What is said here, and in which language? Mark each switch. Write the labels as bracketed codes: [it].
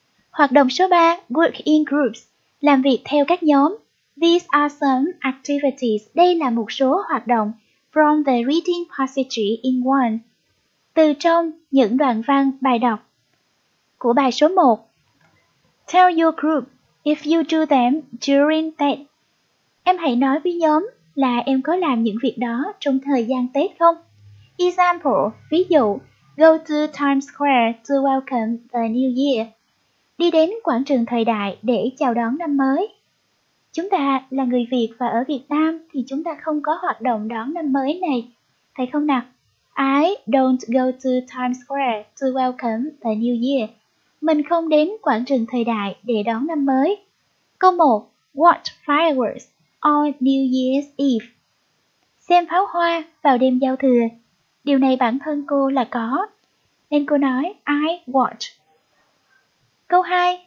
[vi] Hoạt động số 3, [en] work in groups, [vi] làm việc theo các nhóm. [en] These are some activities, [vi] đây là một số hoạt động. [en] From the reading passage in one. [vi] Từ trong những đoạn văn bài đọc của bài số 1. [en] Tell your group if you do them during Tết. [vi] Em hãy nói với nhóm là em có làm những việc đó trong thời gian Tết không? [en] Example, [vi] ví dụ, [en] go to Times Square to welcome the new year. [vi] Đi đến quảng trường thời đại để chào đón năm mới. Chúng ta là người Việt và ở Việt Nam thì chúng ta không có hoạt động đón năm mới này. Phải không nào? [en] I don't go to Times Square to welcome the new year. [vi] Mình không đến quảng trường thời đại để đón năm mới. Câu 1. [en] Watch fireworks on New Year's Eve. [vi] Xem pháo hoa vào đêm giao thừa. Điều này bản thân cô là có. Nên cô nói [en] I watch. [vi] Câu 2.